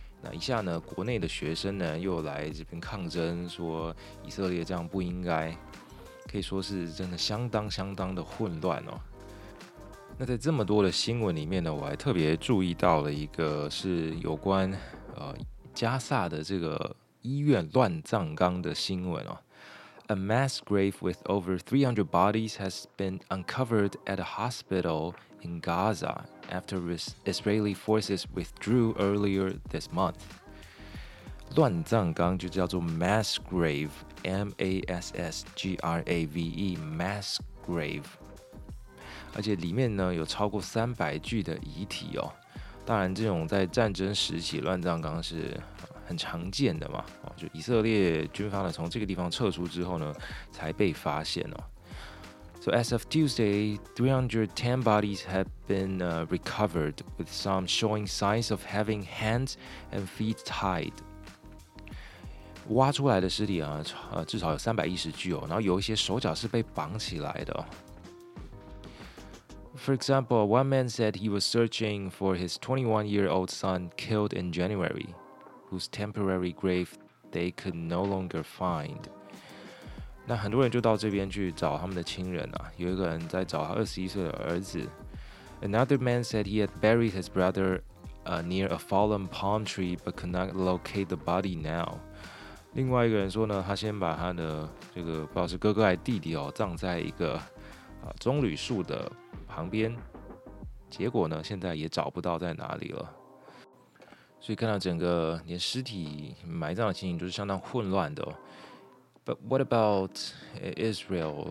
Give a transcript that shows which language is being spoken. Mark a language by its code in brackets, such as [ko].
[zh] 那一下呢，国内的学生呢又来这边抗争，说以色列这样不应该，可以说是真的相当相当的混乱哦。那在这么多的新闻里面呢，我还特别注意到了一个是有关加萨的这个医院乱葬岗的新闻哦。 [en] A mass grave with over 300 bodies has been uncovered at a hospital in Gaza after Israeli forces withdrew earlier this month. [zh] 乱葬岗就叫做 mass grave， M-A-S-S-G-R-A-V-E， mass grave。而且里面呢有超过300具的遗体哦，当然这种在战争时期乱葬岗是很常见的嘛，就以色列军方呢从这个地方撤出之后呢才被发现哦。 [en] So as of Tuesday, 310 bodies have been recovered, with some showing signs of having hands and feet tied。 [zh] 挖出来的尸体啊，至少有310具哦，然后有一些手脚是被绑起来的哦。 [en] For example, one man said he was searching for his 21-year-old son killed in January, whose temporary grave they could no longer find. [zh] 那很多人就到这边去找他们的亲人啊，有一个人在找他21岁的儿子。 [en] Another man said he had buried his brother near a fallen palm tree but could not locate the body now. [zh] 另外一个人说呢，他先把他的这个不知道是哥哥还是弟弟哦，葬在一个棕榈树的旁边，结果呢现在也找不到在哪里了。所以看到整个连尸体埋葬的情形就是相当混乱的、哦、 [en] But what about Israel?